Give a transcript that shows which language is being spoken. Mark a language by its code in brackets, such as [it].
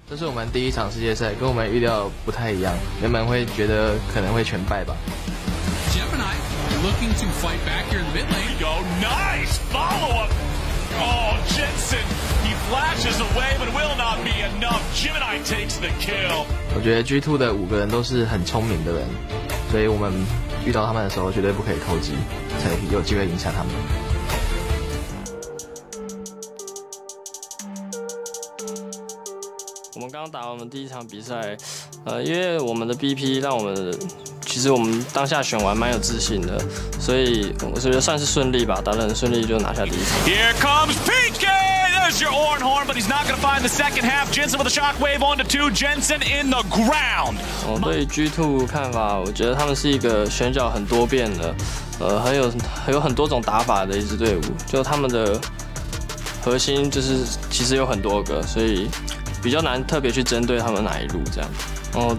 [zh] 这是我们第一场世界赛，跟我们预料不太一样，原本会觉得可能会全败吧。 [en] Gemini looking to fight back here in the mid lane. Go nice follow up. Oh, Jensen, he flashes away, but will not be enough. Gemini takes the kill. [zh] 我觉得 G2 的五个人都是很聪明的人，所以我们遇到他们的时候绝对不可以投机，才有机会赢下他们。我们刚打完我们第一场比赛，因为我们的 BP 让我们其实我们当下选完蛮有自信的，所以我觉得算是顺利吧，打得很顺利就拿下第一场。 [en] Here comes PK! There's your Ornhorn, but he's not going to find the second half. Jensen with a shockwave onto two. Jensen in the ground. [zh] 我对 G2 看法，我觉得他们是一个选角很多变的，很有很多种打法的一支队伍。就他们的核心就是其实有很多个，所以比较难特别去针对他们哪一路这样。